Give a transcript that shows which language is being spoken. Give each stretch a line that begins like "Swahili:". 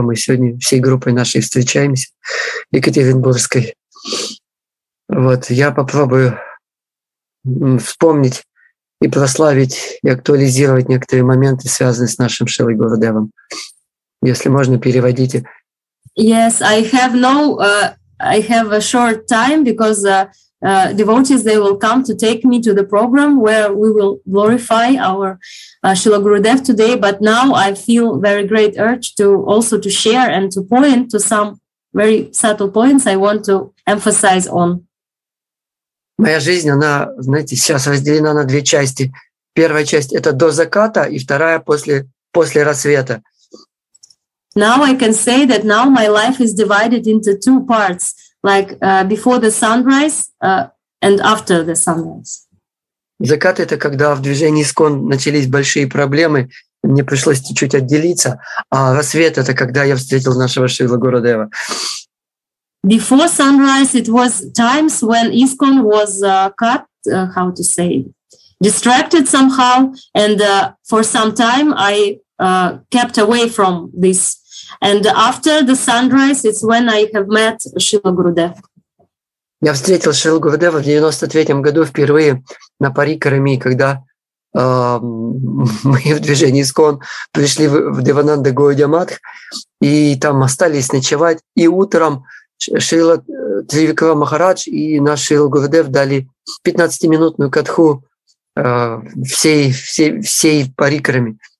Russian: Мы сегодня всей группой нашей встречаемся в Екатеринбургской. Вот, я попробую вспомнить и прославить, и актуализировать некоторые моменты, связанные с нашим Шрилой Гурудевом. Если можно, переводите.
English: Yes, I have no... I have a short time because devotees, they will come to take me to the program where we will glorify our Srila Gurudev today. But now I feel very great urge to also to share and to point to some very subtle points I want to emphasize on.
Russian: Моя жизнь, она, знаете, сейчас разделена на две части. Первая часть — это до заката, и вторая — после рассвета.
English: Now I can say that now my life is divided into two parts, like before the sunrise and after the sunrise.
Russian: Закат — это когда в движении ИСККОН начались большие проблемы, мне пришлось чуть-чуть отделиться, а рассвет — это когда я встретил нашего Шрилу Гурудева.
English: Before sunrise, it was times when ISKCON was cut, how to say, distracted somehow, and for some time I kept away from this. And after the sunrise, it's when I have met Шрила Гурудев.
Russian: Я встретил Шрилу Гурудева в 93-м году впервые на Парикраме, когда мы в движении ИСККОН пришли в Девананда Гаудия Матх и там остались ночевать. И утром Шрила Тривикрама Махарадж и наш Шрила Гурудев дали 15-минутную катху всей Парикраме.